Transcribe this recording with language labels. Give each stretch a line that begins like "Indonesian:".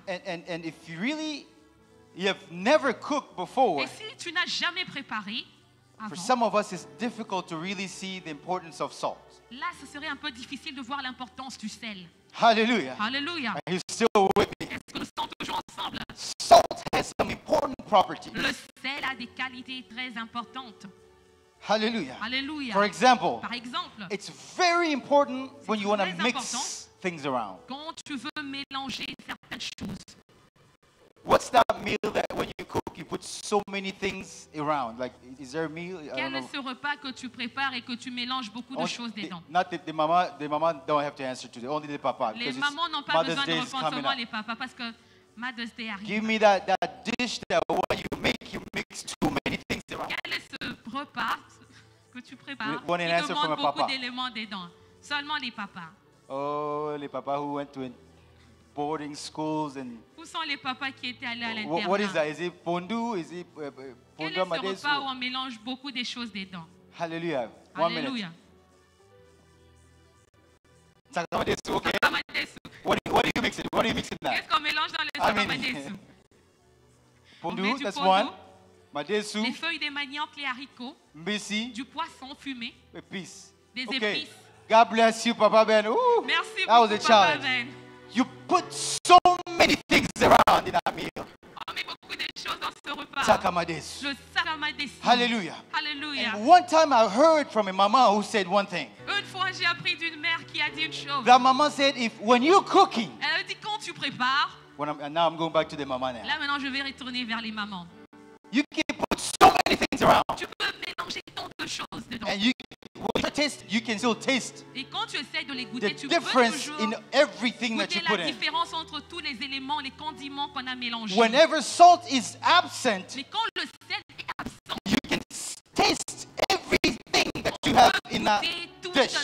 English: And if you really you have never cooked before.
French: Et si tu n'as jamais préparé avant,
English: for some of us it's difficult to really see the importance of salt.
French: Là, ce serait un peu difficile de voir l'importance du sel.
English: Hallelujah.
French: Hallelujah.
English: Are you still with me?
French: Est-ce que nous sommes toujours ensemble?
English: Salt has some important properties.
French: Le sel a des qualités très importantes.
English: Hallelujah.
French: Hallelujah.
English: For example,
French: par exemple,
English: it's very important when you want to mix things around.
French: Quand tu veux mélanger certaines choses.
English: What's that meal that when you cook, you put so many things around? Like, is there a meal?
French: Quel est ce repas que tu prépares et que tu mélanges beaucoup de choses dedans?
English: Not the mama don't have to answer today. Only the papa.
French: Les mamans n'ont pas besoin de répondre seulement les papas parce que Mother's Day arrive.
English: Give me that dish that when you mix too many things around.
French: Quel est ce repas que tu prépares qui demande beaucoup d'éléments dedans? Seulement les papas. Oh, les papas
English: who went to boarding schools and.
French: Où sont les papas qui étaient allés à l'internat?
English: What is that? Is it pondu? Is it pondu
French: à Madès? Quel est ce repas où on mélange beaucoup de choses dedans?
English: Hallelujah. One
French: Hallelujah.
English: Minute. Sakata Madès, okay?
French: Sakata Madès.
English: What do you mix it? What do you mix it now?
French: Qu'est-ce qu'on mélange dans le Sakata Madès?
English: Pondu, that's pondu. One.
French: Des feuilles de manioc, les haricots,
Lingala: Mbisi.
French: Du poisson fumé, épices. Des épices.
English: Okay. God bless you, Papa Ben. Ooh,
French: merci
English: that
French: beaucoup,
English: was a
French: Papa
English: challenge.
French: Ben.
English: You put so many things around in that meal.
French: On met beaucoup de choses dans ce repas.
English: Sakamadesu.
French: Le Sakamadesu.
English: Hallelujah.
French: Hallelujah.
English: And one time I heard from a mama who said one thing.
French: Une fois j'ai appris d'une mère qui a dit une chose.
English: That mama said if when you're cooking.
French: Elle a dit quand tu prépares.
English: When I'm, and now I'm going back to the mama now.
French: Là maintenant je vais retourner vers les mamans.
English: You can put so many things around.
French: Tu peux mélanger tant de choses dedans.
English: And you, when you taste, you can still taste.
French: Et quand tu essaies de les goûter,
English: the
French: tu
English: difference
French: peux
English: in everything that you put in.
French: La différence entre tous les éléments, les condiments qu'on a mélangés.
English: Whenever salt is absent,
French: mais quand le sel est absent,
English: you can taste everything that you have in that dish.